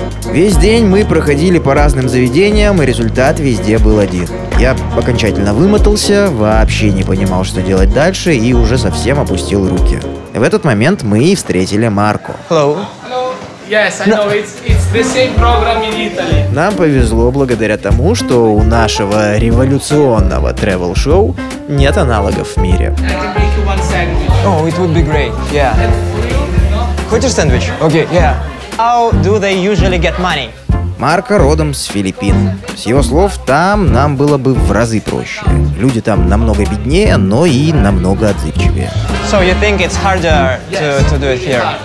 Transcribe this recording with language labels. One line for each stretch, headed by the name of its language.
Russian: Весь день мы проходили по разным заведениям, и результат везде был один. Я окончательно вымотался, вообще не понимал, что делать дальше, и уже совсем опустил руки. В этот момент мы и встретили Марко.
English: Hello. Yes, I know, it's the same program in Italy.
Russian: Нам повезло благодаря тому, что у нашего революционного travel-шоу нет аналогов в мире.
English: I can make you one sandwich. Oh, it would be great, yeah.
Russian: Хочешь сэндвич?
English: Окей, yeah. How do they usually get money?
Russian: Марко родом с Филиппин. С его слов, там нам было бы в разы проще. Люди там намного беднее, но и намного отзывчивее.
English: So you think it's harder to do it here?